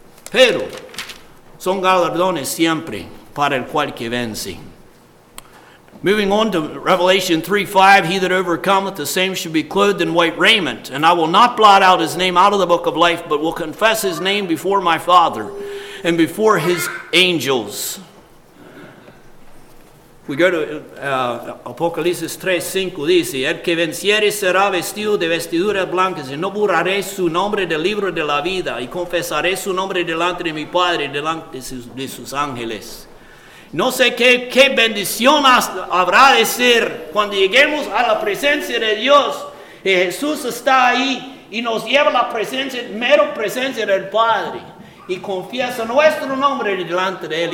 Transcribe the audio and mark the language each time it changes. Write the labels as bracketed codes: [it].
[es] Pero son galardones siempre para el cual que vence. [en] Moving on to Revelation 3:5, he that overcometh, the same shall be clothed in white raiment, and I will not blot out his name out of the book of life, but will confess his name before my Father and before his angels. We go to [es] Apocalipsis 3:5, dice, el que venciere será vestido de vestiduras blancas, y no borraré su nombre del libro de la vida, y confesaré su nombre delante de mi Padre, delante de sus ángeles. No sé qué bendición habrá de ser cuando lleguemos a la presencia de Dios, y Jesús está ahí, y nos lleva a la presencia, mero presencia del Padre, y confiesa nuestro nombre delante de Él.